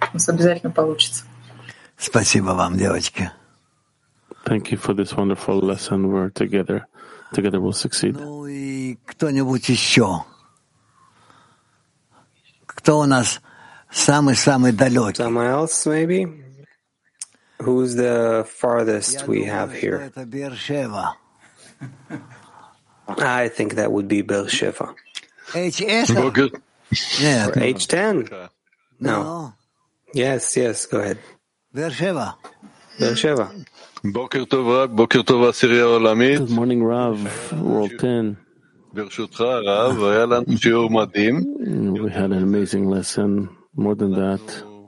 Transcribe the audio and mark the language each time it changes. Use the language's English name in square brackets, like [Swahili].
[Russian] У нас обязательно получится. Спасибо вам, девочки. [English] Thank you for this wonderful lesson. We're together. Together we'll succeed. [Russian] Ну и кто-нибудь еще? Кто у нас самый-самый далекий? [English] Someone else, maybe? Who's the farthest we have here? [Russian] Это Бершева. [English] I think that would be Бершева. H-10. Yeah. H-10. No. Yes, yes, go ahead. [Russian] Бершева. Бершева. [Hebrew] Boker Tov Rav, Boker Tov Asiriya Olamit. [English] Good morning, Rav, World 10. [Hebrew] Bershutcha, Rav, היה לנו שיעור מדהים. [English] We had an amazing lesson, more than that.